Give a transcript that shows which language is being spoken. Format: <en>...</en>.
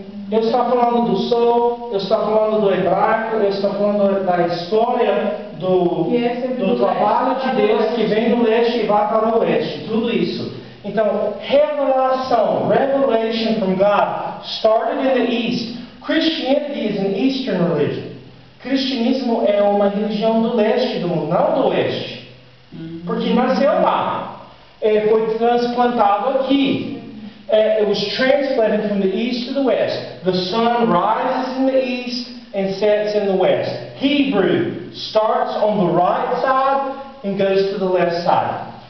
<pt>Eu estou falando do sol, eu estou falando do hebraico, eu estou falando da história do trabalho de Deus que vem do leste e vai para o oeste. Tudo isso.</pt> <en>Então, revelation from God started in the east. Christianity is an eastern religion.</en> <pt>Cristianismo é uma religião do leste do mundo, não do oeste. Porque nasceu lá. Foi transplantado aqui.</pt> <en>It was transplanted from the east to the west. The sun rises in the east and sets in the west. Hebrew starts on the right side and goes to the left side.</en>